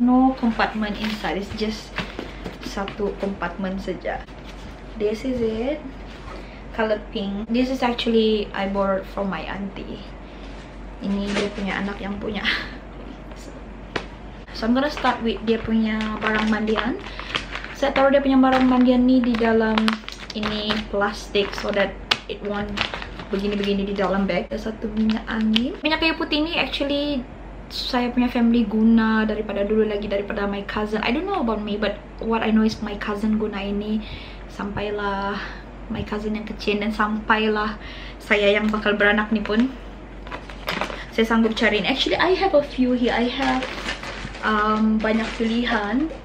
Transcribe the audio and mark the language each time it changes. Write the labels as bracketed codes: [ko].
[en] No compartment inside, it's just [ms] satu [en] compartment [ms] saja. [en] This is it, color pink. This is actually I bought from my auntie. [ms] Ini dia punya anak yang punya. [en] So I'm gonna start with [ms] dia punya barang mandian. Saya taruh dia punya barang mandian ni di dalam ini plastik [en] so that it won't [ms] begini-begini di dalam bag. Ada satu minyak angin. Minyak kayu putih ini actually saya punya family guna daripada dulu lagi, daripada [en] my cousin. I don't know about me, but what I know is my cousin [ms] guna ini. Sampailah [en] my cousin [ms] yang kecil, dan sampailah saya yang bakal beranak ni pun, saya sanggup cariin. [en] Actually, I have a few here. I have [ms] banyak pilihan.